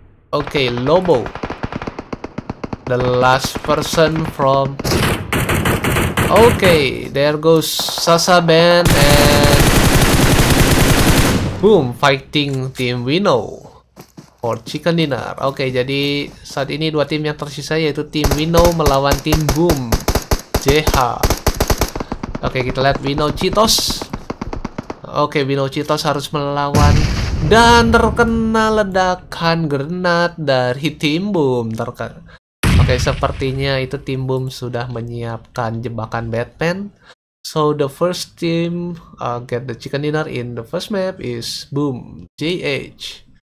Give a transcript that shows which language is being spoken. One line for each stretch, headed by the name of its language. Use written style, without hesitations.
English: Okay, Lobo, the last person from. Okay, there goes Sasha Ben and Boom fighting team Wino for chicken dinner.
Indonesian: Okay, jadi saat ini dua tim yang tersisa yaitu tim Wino melawan tim Boom JH. Okay, kita lihat Wino Cheetos. Okay, Wino Cheetos harus melawan dan terkena ledakan granat dari tim Boom. Okay, sepertinya itu tim Boom sudah menyiapkan jebakan Batman.
English: So the first team get the chicken dinner in the first map is Boom JH.